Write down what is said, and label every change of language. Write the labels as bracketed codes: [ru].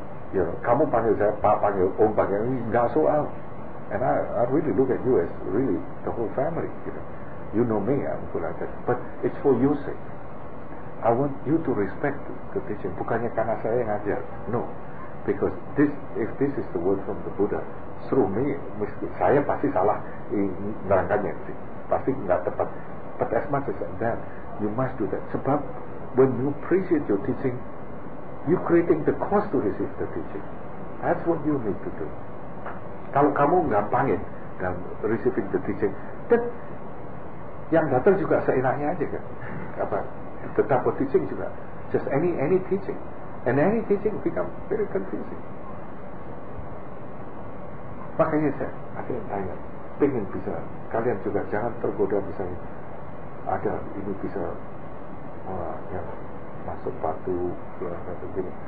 [en] you know, [id] kamu panggil saya Pak, panggil Om, panggil ini nggak soal. [en] And I really look at you as really the whole family. You know me, I'm good at that. But it's for your sake. I want you to respect the teaching. [id] Bukannya karena saya yang ajar. [en] No, because this, if this is the word from the Buddha, through me, [id] saya pasti salah menerangkannya. Pasti nggak tepat. [en] But as much as that, you must do that. Sebab when you appreciate your teaching, you creating the cost to receive the teaching. That's what you need to do. [id] Kalau kamu nggak panggil dan [en] receiving the teaching, then [id] yang datang juga seenaknya aja kan? Apa? [en] The type of teaching juga, just any teaching, and any teaching become very confusing. [id] Makanya saya ada yang tanya, pengen bisa kalian juga jangan tergoda misalnya ada ini bisa yang masuk batu keluar batu ini.